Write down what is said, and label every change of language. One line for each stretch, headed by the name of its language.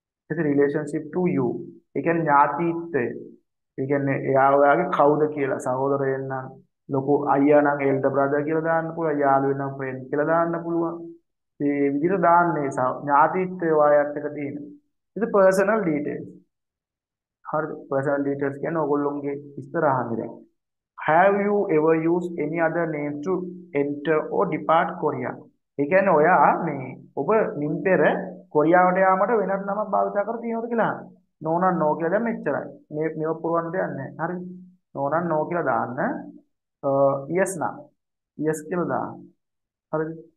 Sinhala: ඒක relationship two you. ඒ කියන්නේ ඥාතිත්වය. ඒ කියන්නේ එයා ඔයාගේ කවුද කියලා සහෝදරයෙන් නම් ලොකු අයියා නම් එල්ඩර් බ්‍රදර් කියලා දාන්න පුළුවන්. යාළුවෙන් නම් ෆ්‍රෙන්ඩ් කියලා දාන්න පුළුවන්. මේ විදිහට දාන්නේ ඥාතිත්වය වායත් එක තියෙන. ඉත පර්සනල් ඩීටේල්ස්. හරි. පර්සනල් ඩීටේල්ස් කියන්නේ ඕගොල්ලොන්ගේ ඉස්සර අහන්නේ දැන්
English: have you ever used any other name to enter or depart korea.
Sinhala: ඒ කියන්නේ ඔයා මේ ඔබ මින් පෙර කොරියාවට යාමට වෙනත් නමක් භාවිතා කර තියෙනවද කියලා. නෝනන් නෝ කියලා දැම්ම එච්චරයි. මේ මෙව පුරවන්න දෙයක් නැහැ. හරි. නෝනන් නෝ කියලා දාන්න. yes නා. yes කියලා දාන්න. හරි.